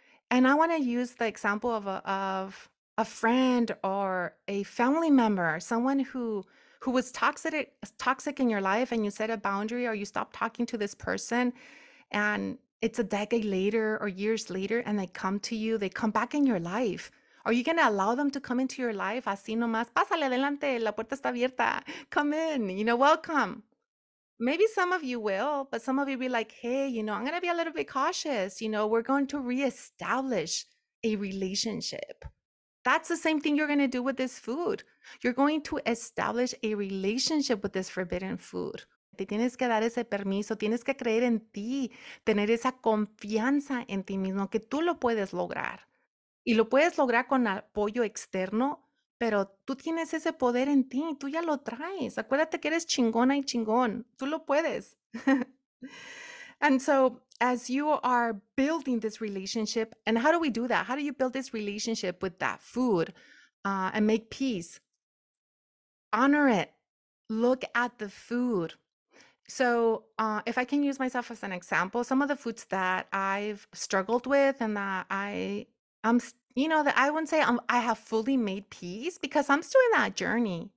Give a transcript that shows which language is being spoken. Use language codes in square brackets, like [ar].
[en] And I want to use the example of a friend or a family member, someone who was toxic in your life, and you set a boundary or you stop talking to this person, and it's a decade later or years later, and they come to you, they come back in your life. Are you going to allow them to come into your life? [es] Así nomás, pásale adelante, la puerta está abierta. [en] Come in, you know, welcome. Maybe some of you will, but some of you be like, hey, you know, I'm going to be a little bit cautious. You know, we're going to reestablish a relationship. That's the same thing you're going to do with this food. You're going to establish a relationship with this forbidden food. [es] Te tienes que dar ese permiso, tienes que creer en ti, tener esa confianza en ti mismo, que tú lo puedes lograr. Y lo puedes lograr con apoyo externo, pero tú tienes ese poder en ti, tú ya lo traes. Acuérdate que eres chingona y chingón, tú lo puedes. [en] And so as you are building this relationship, and how do we do that? How do you build this relationship with that food and make peace? Honor it. Look at the food. So if I can use myself as an example, some of the foods that I've struggled with and that I have fully made peace because I'm still in that journey.